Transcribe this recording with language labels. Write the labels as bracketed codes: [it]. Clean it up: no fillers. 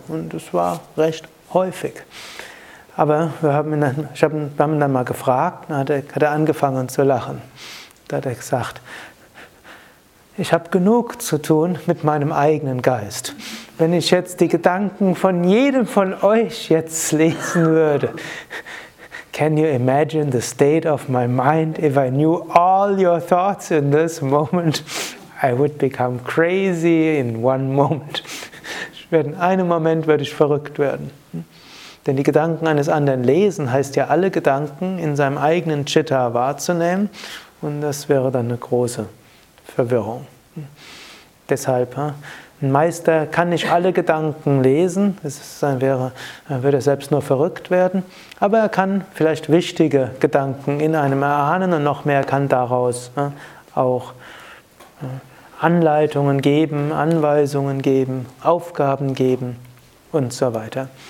[de] Und das war recht häufig. Aber wir haben ihn dann mal gefragt, dann hat er angefangen zu lachen. Da hat er gesagt, ich habe genug zu tun mit meinem eigenen Geist. Wenn ich jetzt die Gedanken von jedem von euch jetzt lesen würde. [en] Can you imagine the state of my mind if I knew all your thoughts in this moment? I would become crazy in one moment. [de] In einem Moment würde ich verrückt werden. Denn die Gedanken eines anderen lesen heißt ja, alle Gedanken in seinem eigenen Chitta wahrzunehmen. Und das wäre dann eine große Verwirrung. Deshalb, ein Meister kann nicht alle Gedanken lesen, dann würde er selbst nur verrückt werden, aber er kann vielleicht wichtige Gedanken in einem erahnen und noch mehr kann daraus auch Anleitungen geben, Anweisungen geben, Aufgaben geben und so weiter.